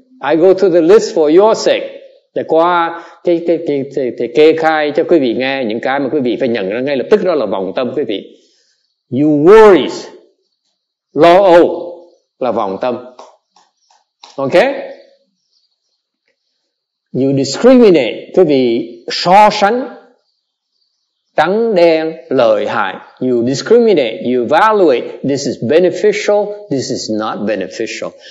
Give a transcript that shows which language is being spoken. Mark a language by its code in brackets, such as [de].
[en] I go through the list for your sake. [vi] Để qua cái kê khai cho quý vị nghe những cái mà quý vị phải nhận ra ngay lập tức, đó là vọng tâm quý vị. [en] You worries. [vi] Lo âu là vọng tâm. Okay? [en] You discriminate, [vi] quý vị so sánh trắng đen lợi hại. [en] You discriminate, you evaluate, this is beneficial, this is not beneficial.